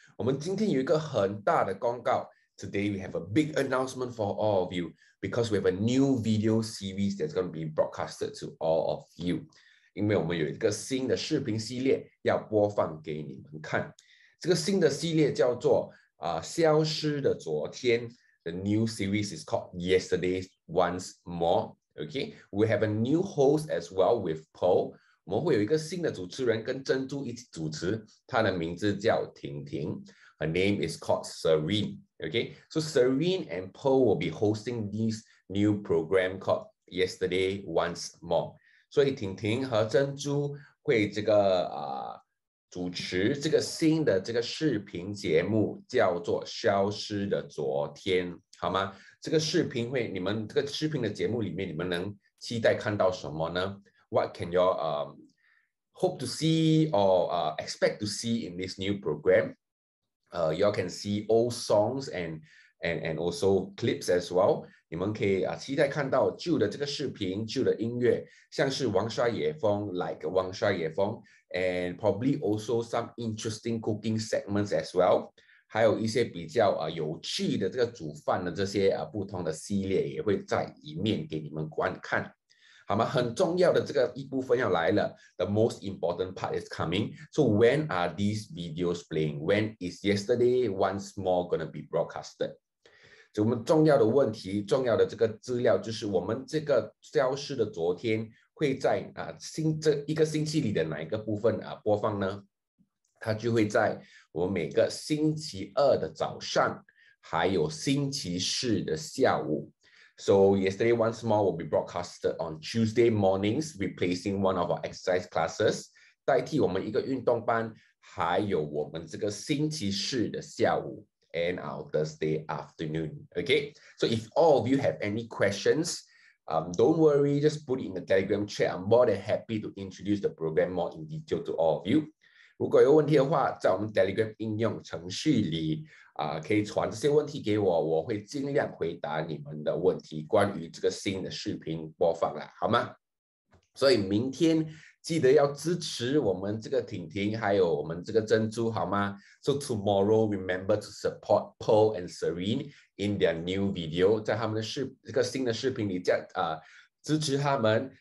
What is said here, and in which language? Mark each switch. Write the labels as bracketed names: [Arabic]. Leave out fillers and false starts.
[Chinese] 我们今天有一个很大的公告。 [English] Today we have a big announcement for all of you because we have a new video series that's going to be broadcasted to all of you. [Chinese] 因为我们有一个新的视频系列要播放给你们看。这个新的系列叫做消失的昨天。 [English] The new series is called Yesterday Once More. Okay, we have a new host as well with Paul. [Chinese] 我们会有一个新的主持人跟珍珠一起主持，她的名字叫婷婷。 [English] Her name is called Serene. Okay, so Serene and Paul will be hosting this new program called Yesterday Once More. [Chinese] 所以婷婷和珍珠会这个主持这个新的这个视频节目，叫做《消失的昨天》。好吗？这个视频会，你们这个视频的节目里面，你们能期待看到什么呢 ？ [English] What can you hope to see or expect to see in this new program? You all can see old songs and also clips as well. [Chinese] 你们可以期待看到旧的这个视频、旧的音乐，像是王沙野风 ，like 王沙野风 ， [English] and probably also some interesting cooking segments as well. [Chinese] 还有一些比较有趣的这个煮饭的这些不同的系列也会在里面给你们观看，好吗？很重要的这个一部分要来了 ， [English] The most important part is coming. So when are these videos playing? When is yesterday once more gonna be broadcasted? [Chinese] 所以我们重要的问题、重要的这个资料就是我们这个消失的昨天会在这一个星期里的哪一个部分播放呢？它就会在我每个星期二的早上，还有星期四的下午。 [English] So yesterday once more will be broadcasted on Tuesday mornings, replacing one of our exercise classes, [Chinese] 代替我们一个运动班，还有我们这个星期四的下午 [English] and our Thursday afternoon. Okay, so if all of you have any questions, don't worry, just put it in the Telegram chat. I'm more than happy to introduce the program more in detail to all of you. [Chinese] 如果有问题的话，在我们 Telegram 应用程序里可以传这些问题给我，我会尽量回答你们的问题。关于这个新的视频播放了，好吗？所以明天记得要支持我们这个婷婷，还有我们这个珍珠，好吗 ？ [English] So tomorrow, remember to support Paul and Serene in their new video， [Chinese] 在他们的这个新的视频里支持他们。